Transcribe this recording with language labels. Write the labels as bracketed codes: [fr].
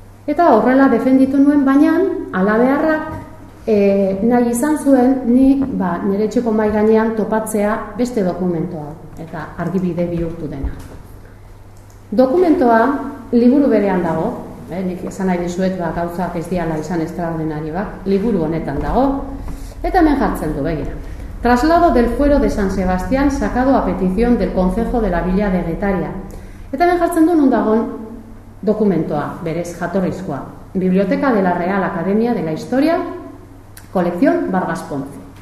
[eu] Eta horrela defenditu nuen, baina alabeharrak nahi izan zuen, ni ba, nire txeko mai gainean topatzea beste dokumentoa eta argibide bihurtu dena. Dokumentoa liburu berean dago, nik esan nahi dizuet ba, gauzak ez diala izan estraordinari bat, liburu honetan dago, eta hemen jartzen du begira. [es] Traslado del fuero de San Sebastián sacado a petición del concejo de la villa de Getaria. [eu] Eta hemen jartzen du nun dagoen dokumentoa, berez jatorrizkoa. [es] Biblioteca de la Real Academia de la Historia, colección Vargas Ponce.